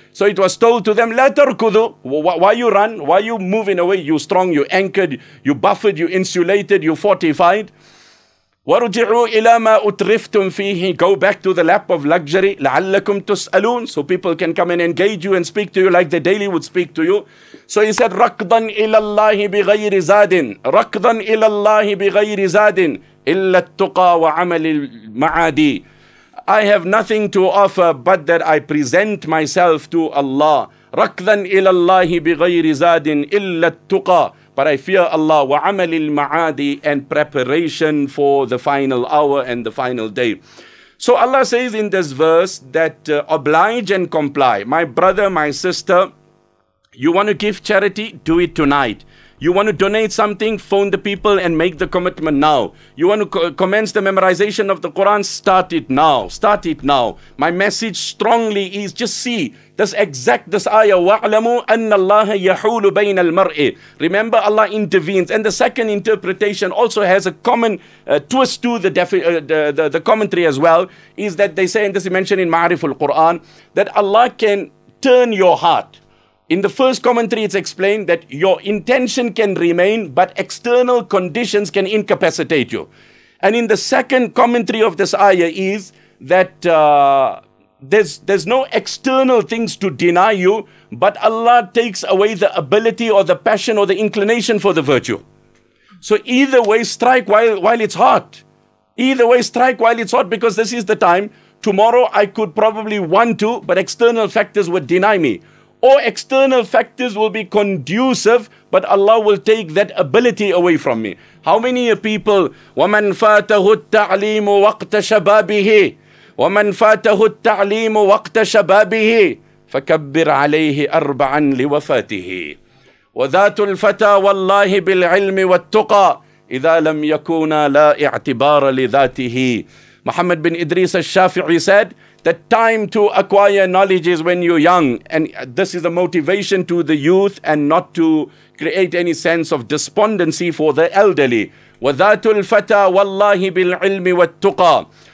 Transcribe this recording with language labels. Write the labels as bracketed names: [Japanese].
[English] So it was told to them, [Arabic] لَا تَرْكُذُوا. [English] Why you run? Why you moving away? You strong, you anchored, you buffered, you insulated, you fortified. [Arabic] وَرُجِعُوا إِلَى مَا أُتْرِفْتُمْ فِيهِ. [English] Go back to the lap of luxury. [Arabic] لَعَلَّكُمْ تُسْأَلُونَ. [English] So people can come and engage you and speak to you like they daily would speak to you. So he said, [Arabic] رَكْضًا إِلَى اللَّهِ بِغَيْرِ زَادٍ. رَكْضًا إِلَى اللَّهِ بِغَيْرِ زَادٍ. إِلَّا التُّقَى وَعَمَلِ الْمَعَادِي. [English] I have nothing to offer but that I present myself to Allah. [Arabic] رَكْضًا إِلَى اللَّهِ بِغَيْرِ زَادٍ إِلَّا التُّقَى. [English] But I fear Allah, [Arabic] وعمل المعادي, [English] and preparation for the final hour and the final day. So Allah says in this verse that oblige and comply. My brother, my sister, you want to give charity? Do it tonight. You want to donate something? Phone the people and make the commitment now. You want to commence the memorization of the Quran? Start it now. Start it now. My message strongly is just see. This ayah, [Arabic] وَعْلَمُوا أَنَّ اللَّهَ يَحُولُ بَيْنَ الْمَرْءِ. [English] Remember, Allah intervenes. And the second interpretation also has a common twist to the commentary as well, is that they say, and this is mentioned in Ma'riful Quran, that Allah can turn your heart. In the first commentary, it's explained that your intention can remain, but external conditions can incapacitate you. And in the second commentary of this ayah is that There's no external things to deny you, but Allah takes away the ability or the passion or the inclination for the virtue. So either way, strike while it's hot. Either way, strike while it's hot, because this is the time. Tomorrow I could probably want to, but external factors would deny me. Or external factors will be conducive, but Allah will take that ability away from me. How many people, [Arabic] وَمَنْ فَاتَهُ التَّعْلِيمُ وَقْتَ شَبَابِهِ وَمَنْ فَاتَهُ التَّعْلِيمُ وَقْتَ شَبَابِهِ فَكَبِّرْ عَلَيْهِ أَرْبَعًا لِوَفَاتِهِ وَذَاتُ الْفَتَى وَاللَّهِ بِالْعِلْمِ وَالتُّقَى إِذَا لَمْ يَكُونَ لَا اِعْتِبَارَ لِذَاتِهِ. [English] Muhammad bin Idris al-Shafi'i said, the time to acquire knowledge is when you're young. And this is a motivation to the youth and not to create any sense of despondency for the elderly. [Arabic] وَذَاتُ الْفَتَى وَاللَّهِ بِالْعِلْمِ وَالتُّقَى.